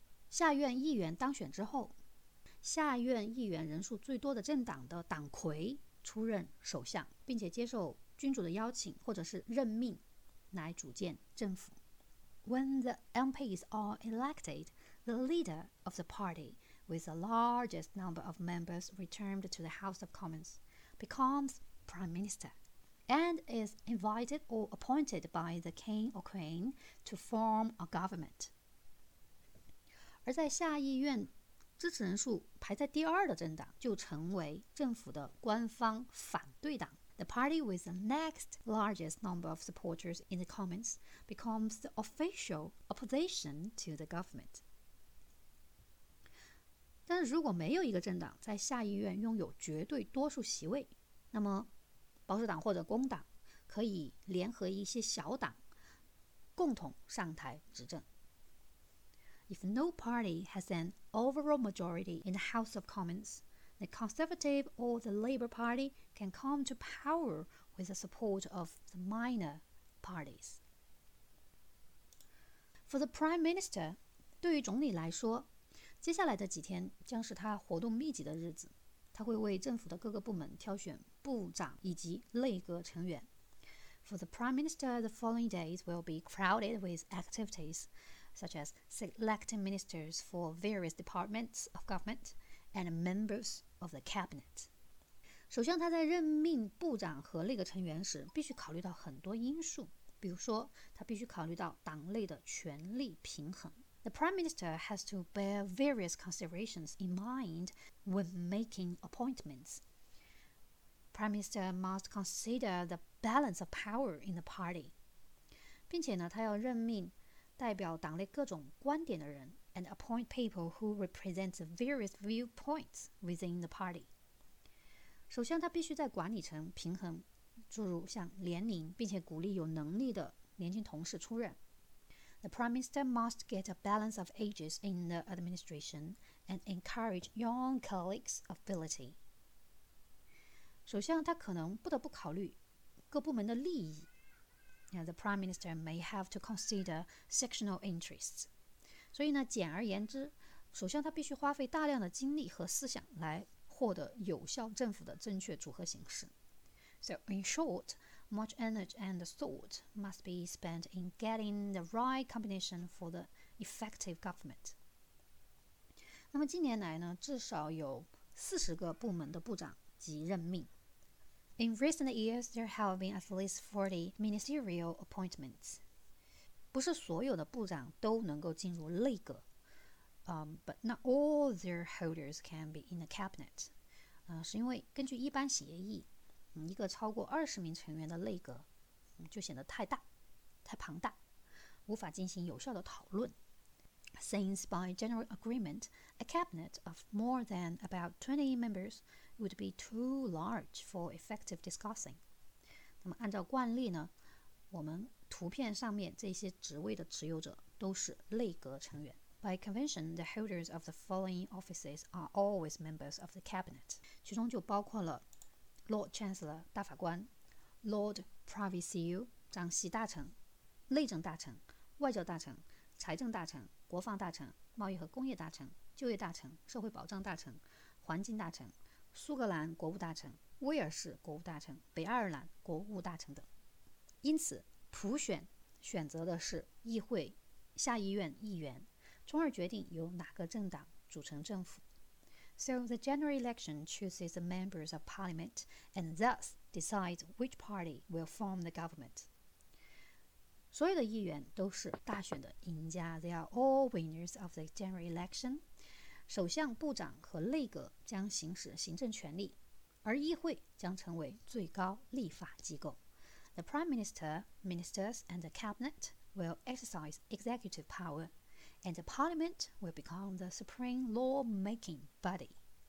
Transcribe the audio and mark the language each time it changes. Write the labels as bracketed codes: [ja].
[zh] 下院议员当选之后，下院议员人数最多的政党的党魁出任首相，并且接受君主的邀请或者是任命来组建政府。 [en] When the MPs are elected, the leader of the party with the largest number of members returned to the House of Commons becomes Prime Minister and is invited or appointed by the King or Queen to form a government. [zh] 而在下议院支持人数排在第二的政党就成为政府的官方反对党。 [en] The party with the next largest number of supporters in the Commons becomes the official opposition to the government. [zh] 但如果没有一个政党在下议院拥有绝对多数席位，那么保守党或者工党可以联合一些小党共同上台执政。 [en] If no party has an overall majority in the House of Commons, the Conservative or the Labour Party can come to power with the support of the minor parties. For the Prime Minister, [zh] 对于总理来说，接下来的几天将是他活动密集的日子。他会为政府的各个部门挑选部长以及内阁成员。 [en] For the Prime Minister, the following days will be crowded with activities. Such as selecting ministers for various departments of government and members of the cabinet. [zh] 首相他在任命部长和内阁成员时必须考虑到很多因素，比如说他必须考虑到党内的权力平衡。 [en] The Prime Minister has to bear various considerations in mind when making appointments. Prime Minister must consider the balance of power in the party. [zh] 并且呢，他要任命代表党内各种观点的人 [en] and appoint people who represent various viewpoints within the party. [zh] 首相他必须在管理层平衡，诸如像年龄，并且鼓励有能力的年轻同事出任。 [en] The Prime Minister must get a balance of ages in the administration and encourage young colleagues' ability. [zh] 首相他可能不得不考虑各部门的利益。 [en] Now, the Prime Minister may have to consider sectional interests. [zh] 所以呢，简而言之，首相他必须花费大量的精力和思想来获得有效政府的正确组合形式。 [en] So, in short, much energy and thought must be spent in getting the right combination for the effective government. [zh] 那么近年来呢，至少有40个部门的部长及任命。 [en] In recent years, there have been at least 40 ministerial appointments. [zh] 不是所有的部长都能够进入内阁、 [en] but not all their holders can be in the cabinet.、 [zh] 是因为根据一般协议、一个超过20名成员的内阁、就显得太大、太庞大、无法进行有效的讨论。 [en] Since by general agreement, a cabinet of more than about 20 members would be too large for effective discussing. [zh] 那么按照惯例呢，我们图片上面这些职位的持有者都是内阁成员。 [en] By convention, the holders of the following offices are always members of the cabinet. [zh] 其中就包括了 Lord Chancellor 大法官、Lord Privy Seal 张西大臣、内政大臣、外交大臣、财政大臣、国防大臣、贸易和工业大臣、就业大臣、社会保障大臣、环境大臣、苏格兰国务大臣、威尔士国务大臣、北爱尔兰国务大臣等。因此普选选择的是议会下议院议员，从而决定由哪个政党组成政府。 [en] So the general election chooses the members of parliament and thus decides which party will form the government. [zh] 所有的议员都是大选的赢家。 [en] They are all winners of the general election. [zh] 首相、部长和内阁将行使行政权力，而议会将成为最高立法机构。 [en] The Prime Minister, Ministers and the Cabinet will exercise executive power, and the Parliament will become the supreme law-making body.